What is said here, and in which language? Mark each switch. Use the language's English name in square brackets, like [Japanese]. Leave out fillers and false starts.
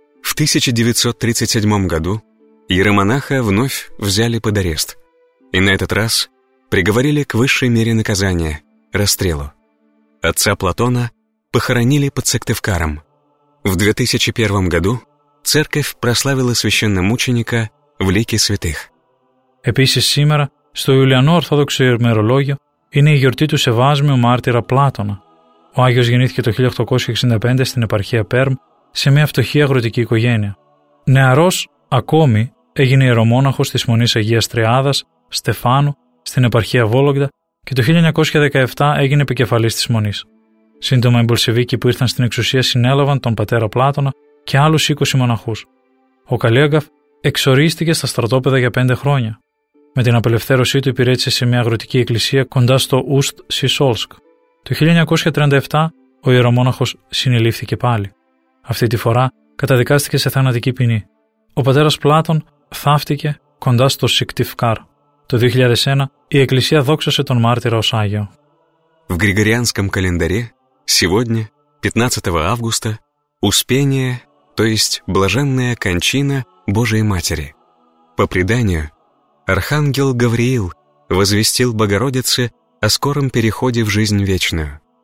[Russian] В 1937 году иеромонаха вновь взяли под арест. И на этот раз приговорили к высшей мере наказания – расстрелу. Отца Платона похоронили под Сыктывкаром. В 2001 году церковь прославила священномученика в лике святых. [Greek] Επίσης σήμερα, στο Ιουλιανό Ορθόδοξο ημερολόγιο, είναι η γιορτή του Σεβάσμιου Μάρτυρα Πλάτωνα. Ο Άγιος γεννήθηκε το 1865 στην επαρχία Πέρμ σε μια φτωχή αγροτική οικογένεια. Νεαρός ακόμη έγινε ιερομόναχος της Μονής Αγίας Τριάδας, Στεφάνου, στην επαρχία Βόλογδα και το 1917 έγινε επικεφαλής της Μονής. Σύντομα οι Μπολσεβίκοι που ήρθαν στην εξουσία συνέλαβαν τον πατέρα Πλάτωνα και άλλους 20 μοναχούς. Ο Καλίαγκαφ εξορίστηκε στα στρατόπεδα για 5 χρόνια. Με την απελευθέρωσή του υπηρέτησε σε μια αγροτική εκκλησία κοντά στο Ουστ-Σισόλσκ. Το 1937 ο ιερομόναχος συνελήφθηκε πάλι. Αυτή τη φορά καταδικάστηκε σε θανατική ποινή. Ο πατέρας Πλάτων θαύτηκε κοντά στο Σικτιφκάρ. Το 2001 η εκκλησία δόξασε τον μάρτυρα ως Άγιο. [Russian] В григорианском календаре сегодня, 15 августа, Успение, то есть блаженная кончина Божией Матери. По преданию, архангел Гавриил возвестил Богородице о скором переходе в жизнь вечную.